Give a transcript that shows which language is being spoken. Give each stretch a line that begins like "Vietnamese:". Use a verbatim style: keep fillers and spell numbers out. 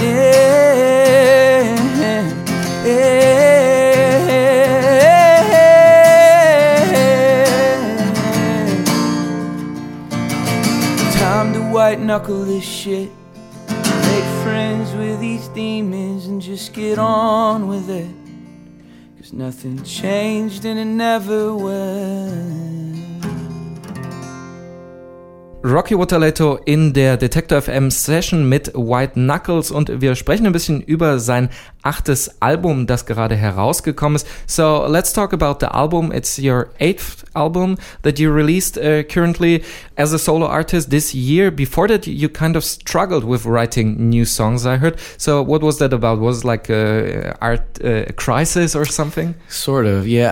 English: Yeah, time to white knuckle this shit, make friends with these demons and just get on with it, 'cause nothing changed and it never will.
German: Rocky Waterletto in der Detektor F M Session mit White Knuckles, und wir sprechen ein bisschen über sein achtes Album, das gerade herausgekommen ist.
English: So let's talk about the album. It's your eighth album that you released uh, currently as a solo artist this year. Before that, you kind of struggled with writing new songs, I heard. So what was that about? Was it like a art a crisis or something? Sort of, yeah.